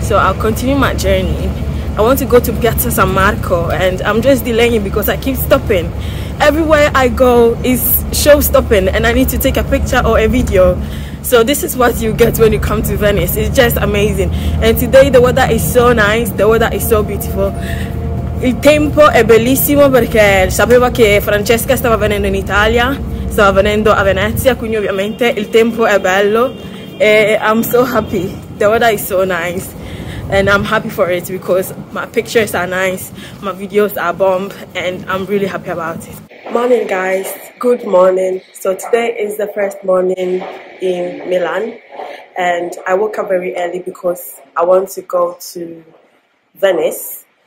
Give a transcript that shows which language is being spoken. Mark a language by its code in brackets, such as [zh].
[en] So I'll continue my journey. I want to go to Piazza San Marco, and I'm just delaying it because I keep stopping. Everywhere I go is show stopping, and I need to take a picture or a video. So this is what you get when you come to Venice. It's just amazing. And today the weather is so nice, the weather is so beautiful. [it] Il tempo è bellissimo perché sapeva che Francesca stava venendo in Italia, stava venendo a Venezia, quindi ovviamente il tempo è bello. E [en] I'm so happy. The weather is so nice, and I'm happy for it because my pictures are nice, my videos are bomb, and I'm really happy about it. Morning, guys. Good morning. So today is the first morning in Milan, and I woke up very early because I want to go to Venice.